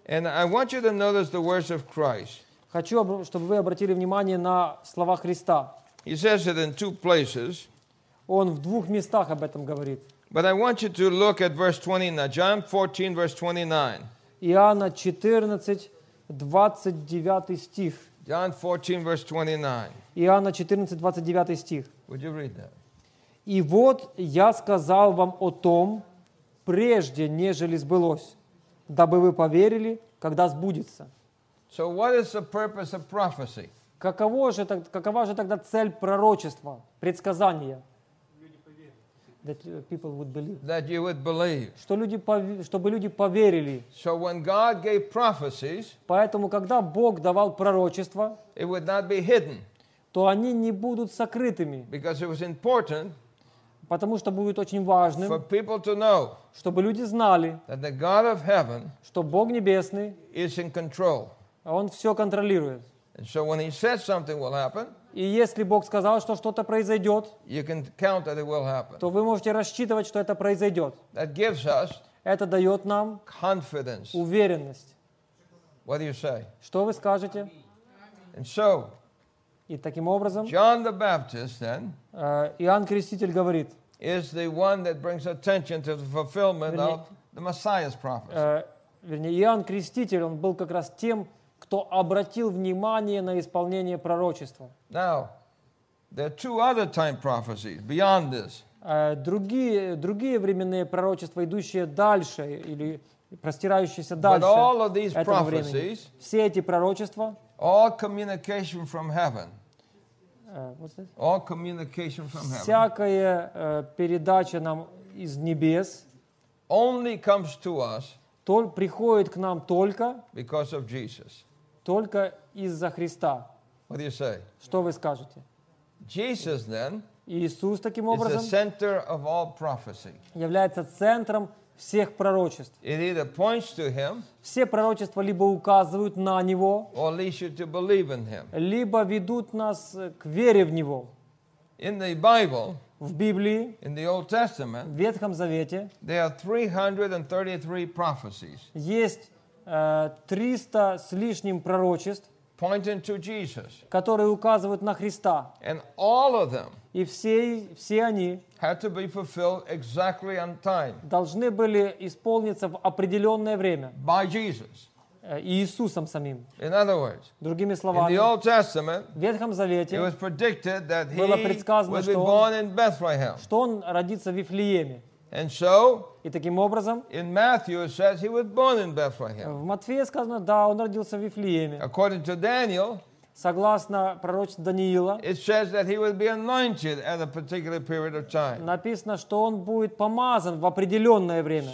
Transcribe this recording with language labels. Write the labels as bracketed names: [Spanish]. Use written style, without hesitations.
[English] And I want you to notice the words of Christ. [Russian] Хочу, чтобы вы обратили внимание на слова Христа. [English] He says it in two places. [Russian] Он в двух местах об этом говорит. [English] But I want you to look at verse 29, John 14, verse 29. [Russian] Иоанна 14, 29 стих. [English] John 14, verse 29. [Russian] Иоанна 14, 29 стих. [English] Would you read that? [Russian] «И вот я сказал вам о том, прежде, нежели сбылось, дабы вы поверили, когда сбудется». [English] So what is the purpose of prophecy? [Russian] Какова же тогда цель пророчества, предсказания? [English] That people would believe. That you would believe. [Russian] Чтобы люди поверили. [English] So when God gave prophecies, [Russian] поэтому когда Бог давал пророчества, [English] it would not be hidden, [Russian] то они не будут сокрытыми. [English] Because it was important, [Russian] потому что будет очень важным, [English] for people to know, [Russian] чтобы люди знали, [English] that the God of heaven, [Russian] что Бог небесный, [English] is in control, [Russian] он все контролирует. [English] And so when he says something will happen. [Russian] И если Бог сказал, что что-то произойдет, [English] you can count that it will happen, [Russian] то вы можете рассчитывать, что это произойдет. [English] That gives us, [Russian] это дает нам [English] confidence, [Russian] уверенность. [English] What do you say? [Russian] Что вы скажете? [English] And so, [Russian] и таким образом, [English] John the Baptist, then, [Russian] Иоанн Креститель говорит, [English] is the one that brings attention to the fulfillment of the Messiah's prophecy. [Russian] Вернее, Иоанн Креститель, он был как раз тем, кто обратил внимание на исполнение пророчества. [English] Now, there are two other time prophecies beyond this. [Russian] Другие временные пророчества, идущие дальше или простирающиеся дальше. [English] But all of these prophecies, [Russian] все эти пророчества, [English] all communication from heaven. All communication from heaven. [Russian] Всякая передача нам из небес [English] only comes to us, [Russian] приходит к нам только [English] because of Jesus. [Russian] Только из-за Христа. [English] What do you say? [Russian] Что вы скажете? [English] Jesus, then, [Russian] Иисус, таким образом, [English] is the center of all prophecy. [Russian] Является центром всех пророчеств. [English] It either points to him, [Russian] все пророчества либо указывают на Него, [English] or leads you to believe in him, [Russian] либо ведут нас к вере в Него. [English] In the Bible, [Russian] в Библии, [English] in the Old Testament, [Russian] в Ветхом Завете, [English] there are 333 prophecies. [Russian] Есть 300 с лишним пророчеств, [English] pointing to Jesus, [Russian] которые указывают на Христа. [English] And all of them, [Russian] и все они, [English] had to be fulfilled exactly on time, [Russian] должны были исполниться в определенное время, [English] by Jesus, [Russian] Иисусом самим. [English] In other words, [Russian] другими словами, [English] in the Old Testament, [Russian] в Ветхом Завете, [English] it was predicted that he [Russian] было предсказано, [English] would be born in Bethlehem, [Russian] что он родится в Вифлееме. [English] And so, [Russian] и таким образом, [English] in Matthew it says he was born in Bethlehem. [Russian] В Матфея сказано, да, он родился в Вифлееме. [English] According to Daniel, [Russian] согласно пророчеству Даниила, [English] it says that he would be anointed at a particular period of time. [Russian] Написано, что он будет помазан в определенное время.